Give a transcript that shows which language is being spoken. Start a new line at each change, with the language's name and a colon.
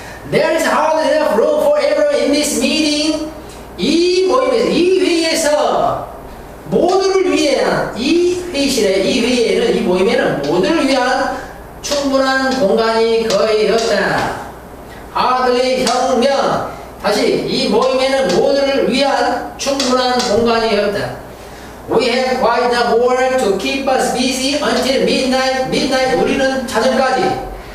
English: There is hardly enough room for everyone in this meeting.
Korean: 이 모임에서 이 회의에서 모두를 위한 이 회의실에 이 회의에는 이 모임에는 모두를 위한 충분한 공간이 거의 없다. Hardly 혁명 다시 이 모임에는 모두를 위한 충분한 공간이 없다.
English: We have quite enough work to keep us busy until midnight.
Korean: 우리는 자정까지